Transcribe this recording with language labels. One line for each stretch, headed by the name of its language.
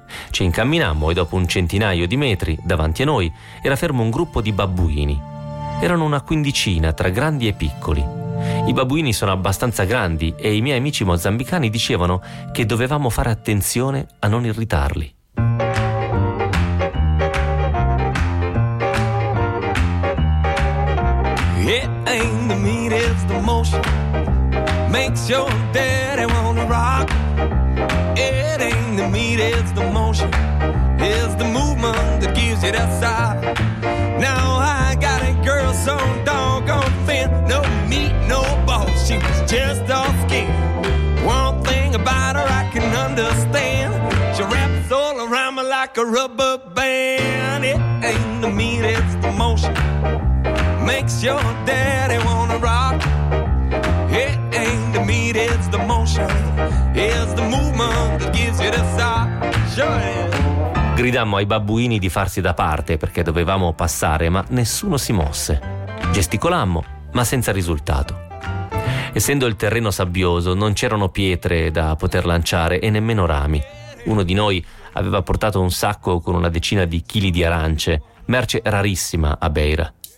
Italian: Ci incamminammo e dopo un centinaio di metri, davanti a noi, era fermo un gruppo di babbuini. Erano una quindicina tra grandi e piccoli. I babbuini sono abbastanza grandi e i miei amici mozambicani dicevano che dovevamo fare attenzione a non irritarli.
English: Yeah, and the meat is the motion. Makes your daddy wanna rock. It ain't the meat, it's the motion. It's the movement that gives you that side. Now I got a girl so doggone thin. No meat, no bone, she was just all skin. One thing about her I can understand. She wraps all around me like a rubber band. It ain't the meat, it's the motion. Makes your daddy wanna rock. It ain't the meat, it's the motion. It's the movement that gives you the size.
Italian: Gridammo ai babbuini di farsi da parte perché dovevamo passare, ma nessuno si mosse. Gesticolammo, ma senza risultato. Essendo il terreno sabbioso, non c'erano pietre da poter lanciare e nemmeno rami. Uno di noi aveva portato un sacco con una decina di chili di arance, merce rarissima a Beira.